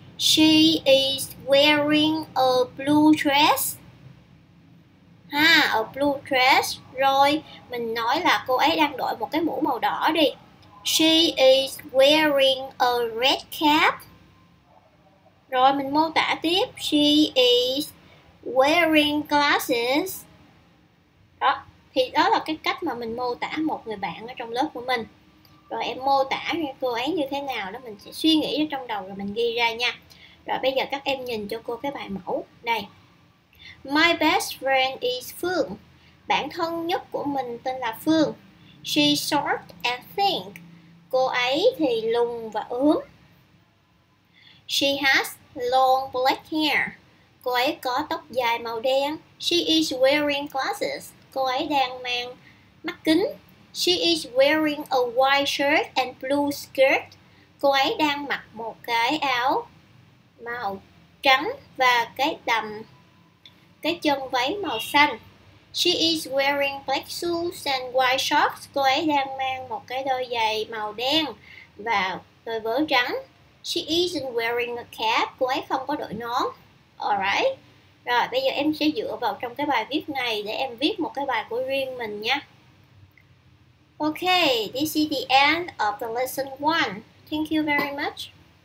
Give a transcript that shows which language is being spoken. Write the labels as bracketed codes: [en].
[en] She is wearing a blue dress. Ha, a blue dress. [vi] Rồi mình nói là cô ấy đang đội một cái mũ màu đỏ đi. [en] She is wearing a red cap. [vi] Rồi mình mô tả tiếp. [en] She is wearing glasses. [vi] Đó, thì đó là cái cách mà mình mô tả một người bạn ở trong lớp của mình. Rồi em mô tả cô ấy như thế nào đó, mình sẽ suy nghĩ ở trong đầu rồi mình ghi ra nha. Rồi bây giờ các em nhìn cho cô cái bài mẫu đây. [en] My best friend is Phương. [vi] Bạn thân nhất của mình tên là Phương. [en] She's short and thin. [vi] Cô ấy thì lùn và ốm. [en] She has long black hair. [vi] Cô ấy có tóc dài màu đen. [en] She is wearing glasses. [vi] Cô ấy đang mang mắt kính. [en] She is wearing a white shirt and blue skirt. [vi] Cô ấy đang mặc một cái áo màu trắng và cái chân váy màu xanh. [en] She is wearing black shoes and white socks. [vi] Cô ấy đang mang một cái đôi giày màu đen và đôi vớ trắng. [en] She isn't wearing a cap. [vi] Cô ấy không có đội nón. [en] Alright. [vi] Rồi, bây giờ em sẽ dựa vào trong cái bài viết này để em viết một cái bài của riêng mình nha. [en] Okay, this is the end of the lesson 1. Thank you very much.